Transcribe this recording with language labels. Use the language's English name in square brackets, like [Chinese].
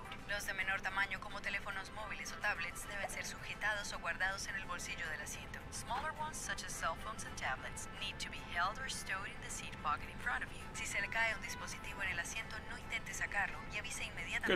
[Spanish] Los de menor tamaño como teléfonos móviles o tablets deben ser sujetados o guardados en el bolsillo del asiento. [English] Smaller ones such as cell phones and tablets need to be held or stowed in the seat pocket in front of you. [Spanish] Si se le cae un dispositivo en el asiento, no intente sacarlo y avise inmediatamente.